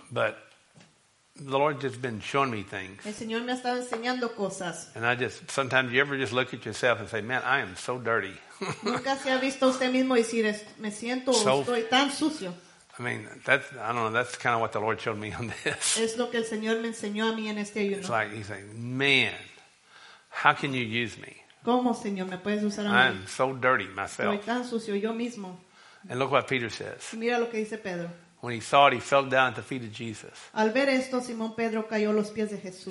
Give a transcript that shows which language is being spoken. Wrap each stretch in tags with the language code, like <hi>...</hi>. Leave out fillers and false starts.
<en>But the Lord has been showing me things.</en> <es>El Señor me ha estado enseñando cosas.</es> <en>And I just sometimes you ever just look at yourself and say, "Man, I am so dirty."</en> <es>Nunca se ha visto usted mismo decir, "Me siento, estoy tan sucio."</es> <en>I mean, that's I don't know. That's kind of what the Lord showed me on this.</en> <es>Es lo que el Señor me enseñó a mí en este ayuno.</es> <en>It's like he's saying, "Man, how can you use me?"</en> <es>¿Cómo, Señor, me puedes usar a mí?</es> <en>I am so dirty myself.</en> <es>Estoy tan sucio yo mismo.</es> <en>And look what Peter says.</en> <es>Mira lo que dice Pedro.</es> <en>When he saw it, he fell down at the feet of Jesus.</en> <es>Al ver esto, Simón Pedro cayó a los pies de Jesús.</es>